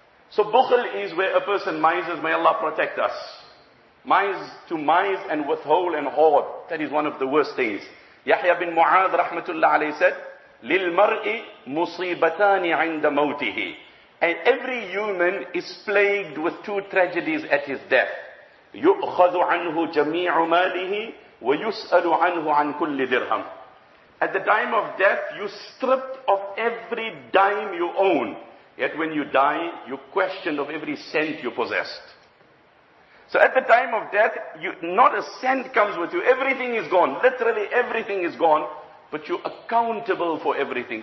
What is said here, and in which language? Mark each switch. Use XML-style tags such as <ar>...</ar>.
<en>So bukhl is where a person mises, may Allah protect us. Mise to mise and withhold and hoard, that is one of the worst things. Yahya bin Mu'adh rahmatullah alayhi said,</en> <ar>لِلْمَرْءِ مُصِيبَتَانِ عِنْدَ مَوْتِهِ.</ar> <en>And every human is plagued with two tragedies at his death.</en> <ar>يُؤْخَذُ عَنْهُ جَمِيعُ مَالِهِ وَيُسْأَلُ عَنْهُ عَنْ كُلِّ دِرْهَمْ.</ar> <en>At the time of death, you stripped of every dime you own. Yet when you die, you questioned of every cent you possessed. So at the time of death, not a cent comes with you. Everything is gone. Literally everything is gone. But you're accountable for everything.</en>